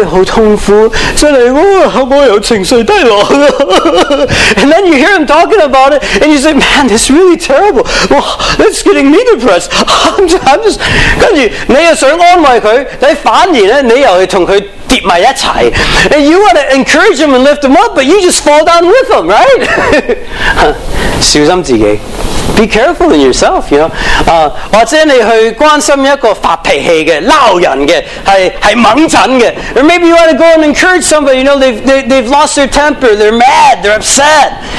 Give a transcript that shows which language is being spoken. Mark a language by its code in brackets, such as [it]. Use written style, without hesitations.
[yue] 你听啊听，哇，真系好惨，真系好痛苦，真系，哇，我有情绪低落。 [en] And then you hear them talking about it, and you say, man, this really terrible. Well, it's getting me depressed. And you want to encourage him and lift him up, but you just fall down with him, right? [yue] 小心自己, [en] be careful in yourself, you know. [yue] 或者你去关心一个发脾气的闹人的，是猛震的。 [en] Or maybe you want to go and encourage somebody, you know, they've lost their temper, they're mad, they're upset.